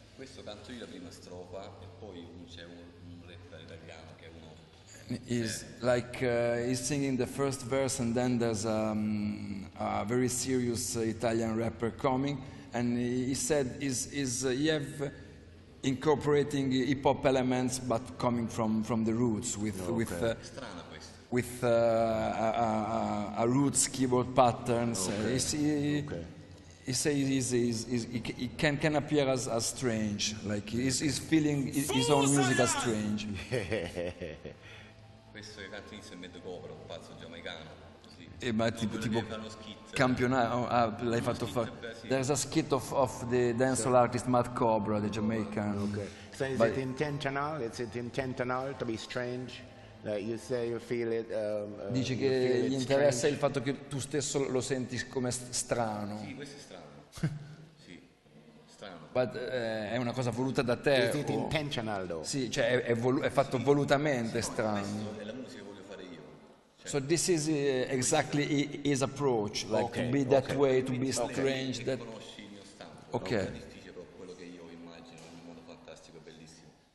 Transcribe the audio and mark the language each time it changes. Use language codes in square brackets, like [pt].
[it] Questo canto io la prima strofa e poi c'è un rapper italiano che è uno. [en] Is like he's singing the first verse and then there's a very serious Italian rapper coming and he said he have incorporating hip hop elements but coming from the roots with a roots keyboard patterns. Okay. He can appear as strange, like he's feeling his own music as strange. [it] Questo che canto inizio è mezzo copro, un pazzo giamaicano. E ma tipo campionato, l'hai fatto fare. [en] There's a skit of the dancehall artist Matt Cobra, the Jamaican. Okay. So is it intentional? Is it intentional to be strange? Like you say you feel it. [it] Dice che gli interessa il fatto che tu stesso lo senti come strano. Sì, questo è strano. But è una cosa voluta da te. [en] Is it intentional though? [it] Sì, cioè è fatto sì, volutamente sì, strano. È la musica che voglio fare io. [en] Cioè, so this is exactly his approach, like okay, to be that okay. way, to be strange. Okay. That. [it] Conosci il mio stampo, ok. È difficile però quello che io immagino, un mondo fantastico e bellissimo.